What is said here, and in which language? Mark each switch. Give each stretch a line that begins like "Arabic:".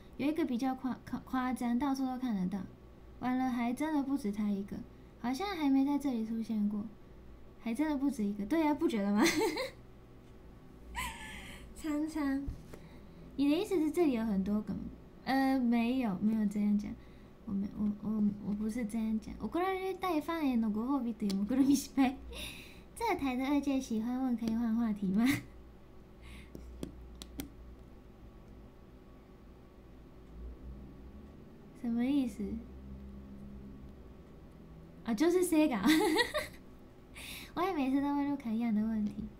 Chinese: 有一个比较夸张，到处都看得到。完了，还真的不止他一个，好像还没在这里出现过，还真的不止一个。对呀、啊，不觉得吗？苍苍，你的意思是这里有很多个吗？没有，没有这样讲。我不是这样讲。
Japanese: 怒られる大ファンへのご褒美という目論見失敗。
Chinese: 这台的二姐喜欢问可以换话题吗？什么意思？啊，就是 Sega， 我也每次都问卢卡一样的问题。